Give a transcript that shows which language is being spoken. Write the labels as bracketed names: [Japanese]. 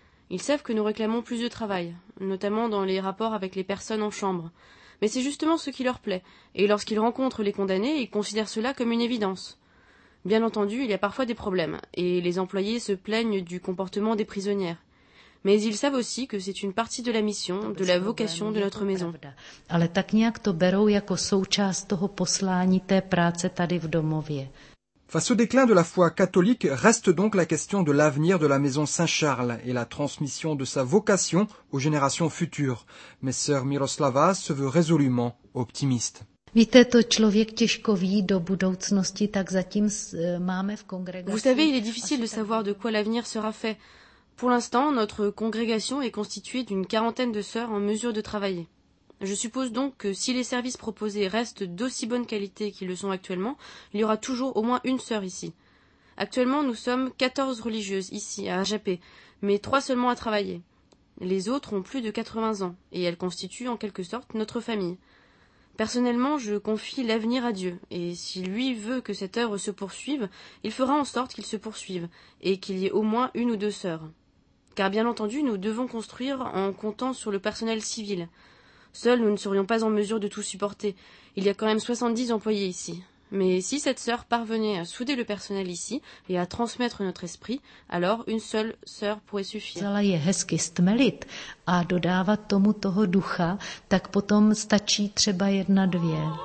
[French] Ils savent que nous réclamons plus de travail, notamment dans les rapports avec les personnes en chambre. Mais c'est justement ce qui leur plaît, et lorsqu'ils rencontrent les condamnés, ils considèrent cela comme une évidence. Bien entendu, il y a parfois des problèmes, et les employés se plaignent du comportement des prisonnières. Mais ils savent aussi que c'est une partie de la mission, de la vocation de notre maison. [Czech] Ale tak nějak to berou jako součást toho poslání té práce tady v domově. [French] Face au déclin de la foi catholique, reste donc la question de l'avenir de la maison Saint-Charles et la transmission de sa vocation aux générations futures. Mais sœur Miroslava se veut résolument optimiste. [Czech] Víte, to člověk těžko ví do budoucnosti, tak zatím máme v kongregaci. [French] Vous savez, il est difficile de savoir de quoi l'avenir sera fait. Pour l'instant, notre congrégation est constituée d'une quarantaine de sœurs en mesure de travailler. Je suppose donc que si les services proposés restent d'aussi bonne qualité qu'ils le sont actuellement, il y aura toujours au moins une sœur ici. Actuellement, nous sommes 14 religieuses ici, à Ajapé, mais 3 seulement à travailler. Les autres ont plus de 80 ans, et elles constituent en quelque sorte notre famille. Personnellement, je confie l'avenir à Dieu, et si lui veut que cette œuvre se poursuive, il fera en sorte qu'il se poursuive, et qu'il y ait au moins une ou deux sœurs. Car bien entendu, nous devons construire en comptant sur le personnel civil. Seuls, nous ne serions pas en mesure de tout supporter. Il y a quand même 70 employés ici. Mais si cette sœur parvenait à souder le personnel ici et à transmettre notre esprit, alors une seule sœur pourrait suffire. [Czech] Zala je hezky stmelit a dodávat tomu toho ducha, tak potom stačí třeba jedna dvě.